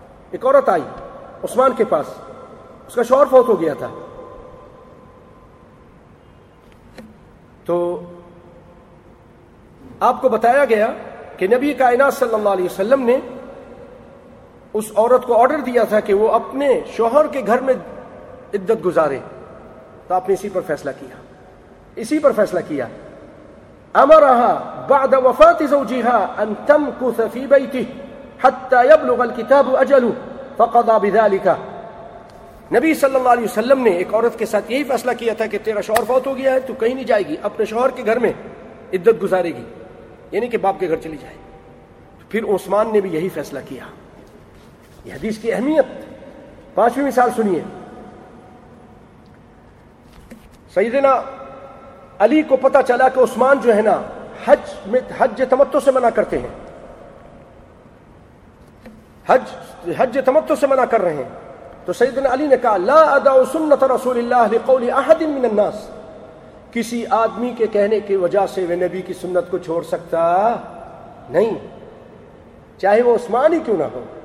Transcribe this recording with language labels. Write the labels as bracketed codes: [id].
[ur] ایک عورت آئی عثمان کے پاس, اس کا شوہر فوت ہو گیا تھا, تو آپ کو بتایا گیا کہ نبی کائنات صلی اللہ علیہ وسلم نے اس عورت کو آرڈر دیا تھا کہ وہ اپنے شوہر کے گھر میں عدت گزارے, تو آپ نے اسی پر فیصلہ کیا, اسی پر فیصلہ کیا. [ar] امرها بعد وفات زوجها ان تمكث في بيته حتى يبلغ الكتاب اجله فقضى بذلك. [ur] نبی صلی اللہ علیہ وسلم نے ایک عورت کے ساتھ یہی فیصلہ کیا تھا کہ تیرا شوہر فوت ہو گیا ہے, تو کہیں نہیں جائے گی, اپنے شوہر کے گھر میں عدت گزارے گی, یعنی کہ باپ کے گھر چلی جائے. پھر عثمان نے بھی یہی فیصلہ کیا. یہ حدیث کی اہمیت. پانچویں مثال سنیے, سیدنا علی کو پتا چلا کہ عثمان جو ہے نا حج میں, حج تمتع سے منع کرتے ہیں, حج تمتع سے منع کر رہے ہیں, تو سیدنا علی نے کہا [ar] لا ادع سنت رسول اللہ لقول احد من الناس, [ur] کسی آدمی کے کہنے کی وجہ سے وہ نبی کی سنت کو چھوڑ سکتا نہیں, چاہے وہ عثمان ہی کیوں نہ ہو.